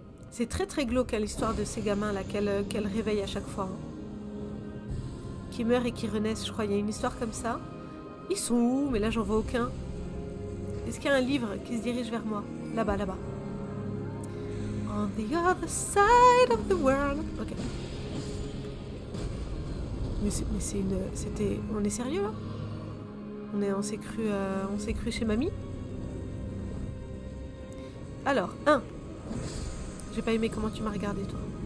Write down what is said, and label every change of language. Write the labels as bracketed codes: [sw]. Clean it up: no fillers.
[fr] C'est très très glauque, hein, l'histoire de ces gamins-là, qu'elle réveille à chaque fois. Hein. Qui meurent et qui renaissent, je crois. Il y a une histoire comme ça. Ils sont où? Mais là, j'en vois aucun. Est-ce qu'il y a un livre qui se dirige vers moi? Là-bas, là-bas. [en] On the other side of the world. Ok. [fr] Mais c'est une... C'était... On est sérieux, là? On s'est cru chez mamie. Alors, un. J'ai pas aimé comment tu m'as regardé, toi.